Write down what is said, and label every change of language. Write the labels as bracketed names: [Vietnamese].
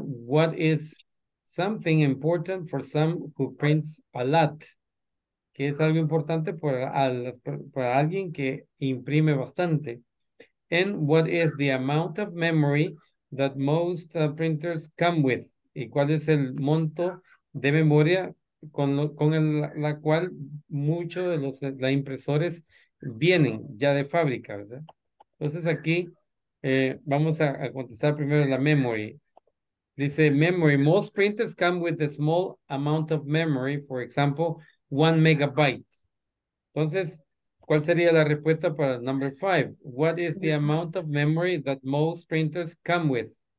[English] What is something important for some who prints a lot? [Spanish] Que es algo importante para alguien que imprime bastante. [English] And what is the amount of memory that most printers come with? [Spanish] ¿Y cuál es el monto de memoria con la cual muchos de los impresores vienen ya de fábrica, ¿verdad? Entonces aquí vamos a contestar primero la memory. Dice memory. [English] Most printers come with a small amount of memory, for example, 1 megabyte. [Spanish] Entonces, ¿cuál sería la respuesta para el number 5? [English] What is the amount of memory that most printers come with?